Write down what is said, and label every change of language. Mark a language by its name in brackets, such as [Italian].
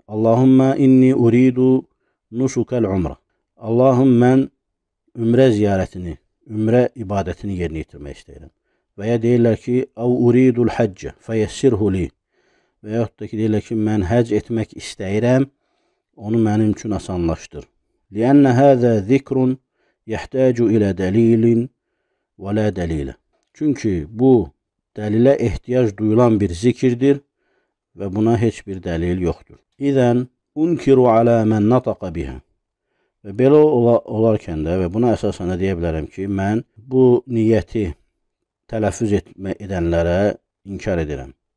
[Arabic] Allahümmə inni uridu nusukəl umra. [Azerbaijani] Allahım mən ümrə ziyarətini, ümrə ibadətini yerinə yetirmək istəyirəm. Və ya deyirlər ki, [Arabic] Əv uridul həccə fəyəssirhu li. [Azerbaijani] Və yaxud da ki, deyirlər ki, mən həcc etmək istəyirəm, onu mənim üçün asanlaşdır. [Arabic] لأن هذا ذكر يحتاج إلى دليل ولا دليل. [Azerbaijani] Çünki bu dəlilə ehtiyac duyulan bir zikirdir və buna heç bir dəlil yoxdur. [Arabic] İzən unkiru alə mən nataqa bihə. [Azerbaijani] Və belə olarkən də və buna əsasən də deyə bilərəm ki, mən bu niyyəti tələffüz edənlərə inkar edirəm.